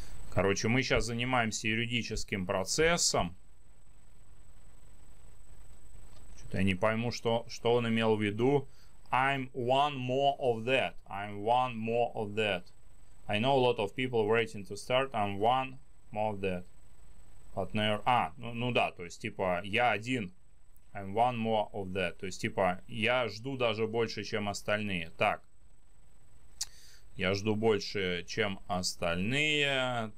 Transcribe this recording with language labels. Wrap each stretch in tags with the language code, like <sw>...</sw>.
<ru>Короче, мы сейчас занимаемся юридическим процессом. Что-то я не пойму, что он имел в виду.</ru> <en>I'm one more of that. I'm one more of that. I know a lot of people waiting to start. I'm one more of that. But never...</en> <ru>А, ну да, то есть типа я один.</ru> <en>I'm one more of that.</en> <ru>То есть типа я жду даже больше, чем остальные. Так. Я жду больше, чем остальные.</ru>